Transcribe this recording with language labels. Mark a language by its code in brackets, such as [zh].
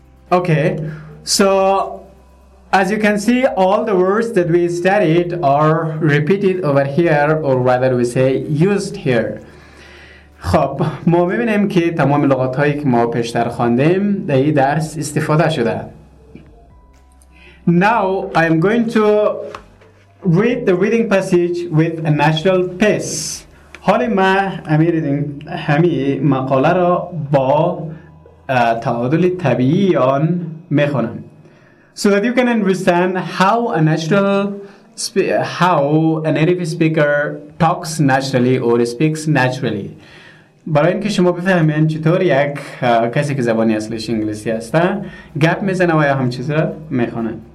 [en] Okay, so as you can see, all the words that we studied are repeated over here, or rather we say used here. [fa] خب ما میبینیم که تمام لغات هایی که ما پیشتر خواندیم در این درس استفاده شده. [en] Now I am going to read the reading passage with a natural pace. [fa] حالی ما امیریدین همی مقاله را با تعادل طبیعی آن میخونم. [en] So that you can understand how a natural how a native speaker talks naturally or speaks naturally. [fa] برای اینکه شما بفهمین چطور یک کسی که زبانی اصلش انگلیسی است گپ میزنه و یا هم چیز را میخونه.